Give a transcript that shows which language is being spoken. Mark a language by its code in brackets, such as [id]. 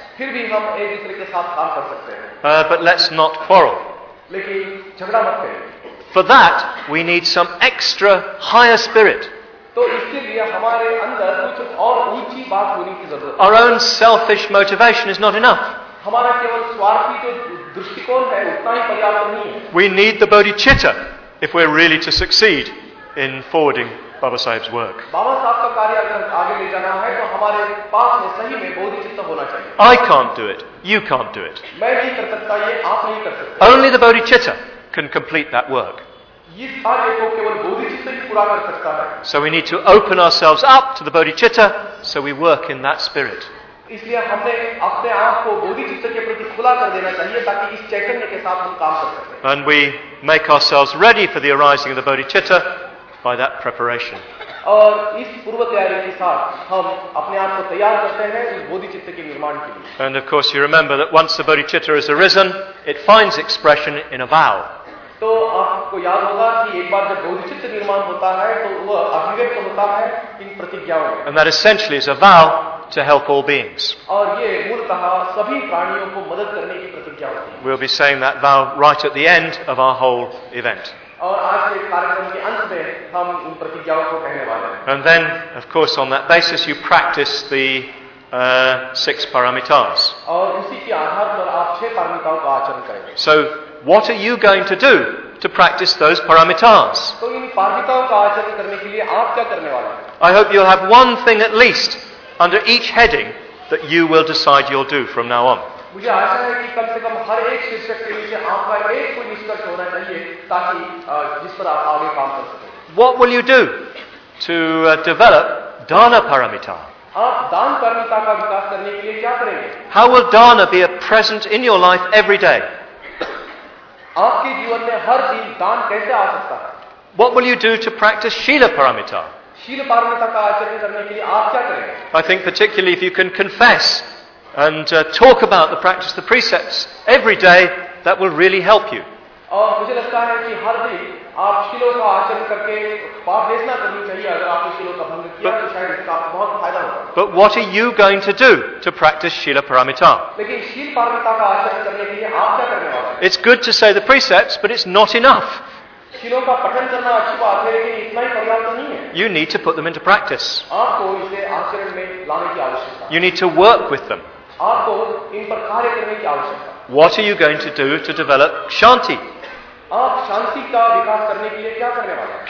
[hi] फिर भी हम एक दूसरे के साथ काम कर सकते हैं. [en] But let's not quarrel. [hi] लेकिन झगड़ा मत करें. [en] For that, we need some extra higher spirit. [hi] तो इसके लिए हमारे अंदर कुछ और ऊंची बात होने की जरूरत. [en] Our own selfish motivation is not enough. [hi] हमारा केवल स्वार्थी जो दृष्टिकोण है उतना ही पर्याप्त नहीं है. [en] We need the bodhicitta if we're really to succeed in forwarding Baba Sahib's work. [hi] बाबा साहब का कार्य अगर आगे ले जाना है तो हमारे पास में सही में बोधिचित्ता होना चाहिए. [en] I can't do it. You can't do it. [hi] मैं नहीं कर सकता ये, आप नहीं कर सकते. [en] Only the bodhicitta can complete that work. [hi] ये कार्य को केवल बोधिचित्ता ही पूरा कर सकता है. [en] So we need to open ourselves up to the bodhicitta so we work in that spirit. [hi] इसलिए हमने अपने आप को बोधि चित्त के प्रति खुला कर देना चाहिए ताकि इस चैतन्य के साथ हम काम कर सकें. [en] And we make ourselves ready for the arising of the bodhicitta by that preparation. [hi] और इस पूर्व तैयारी के साथ हम अपने आप को तैयार करते हैं इस बोधिचित्त के निर्माण के लिए. [en] And of course you remember that once the bodhicitta has arisen, it finds expression in a vow. [hi] तो आपको याद होगा कि एक बार जब बोधिचित्त निर्माण होता है तो वह अभिव्यक्त होता है इन प्रतिज्ञाओं में. [en] And that essentially is a vow to help all beings. [hi] और ये मूलतः सभी प्राणियों को मदद करने की प्रतिज्ञा होती है. [en] We'll be saying that vow right at the end of our whole event. [hi] और आज के कार्यक्रम के अंत में हम उन प्रतिज्ञाओं को कहने वाले हैं. [en] And then, of course, on that basis, you practice the six paramitas. [hi] और उसी के आधार पर आप छह पारमिताओं का आचरण करेंगे. [en] So, what are you going to do to practice those paramitas? [hi] तो इन पारमिताओं का आचरण करने के लिए आप क्या करने वाले हैं? [en] I hope you'll have one thing at least under each heading that you will decide you'll do from now on. [hi] मुझे आशा है कि कम से कम हर एक शीर्षक के लिए आपका एक कोई निष्कर्ष होना चाहिए ताकि जिस पर आप आगे काम कर सकें. [en] What will you do to develop dana paramita? [hi] आप दान परमिता का विकास करने के लिए क्या करेंगे? [en] How will dana be a present in your life every day? [hi] आपके जीवन में हर दिन दान कैसे आ सकता है? [en] What will you do to practice shila paramita? [hi] शील पारमिता का आचरण करने के लिए आप क्या करेंगे? [en] I think particularly if you can confess and talk about the practice of the precepts every day, that will really help you. [hi] और मुझे लगता है कि हर दिन आप शीलों का आचरण करके पाप भेजना करनी चाहिए. अगर आपने शीलों का भंग किया तो शायद इसका बहुत फायदा होगा. [en] But what are you going to do to practice shila paramita? [hi] लेकिन शील पारमिता का आचरण करने के लिए आप क्या करने वाले? [en] It's good to say the precepts, but it's not enough. [hi] शीलों का पठन करना अच्छी बात है लेकिन इतना ही पर्याप्त नहीं है. [en] You need to put them into practice. [hi] आपको इसे आचरण में लाने की आवश्यकता. [en] You need to work with them. [hi] आपको इन पर कार्य करने की आवश्यकता. [en] What are you going to do to develop shanti? [hi] आप शांति का विकास करने के लिए क्या करने वाले?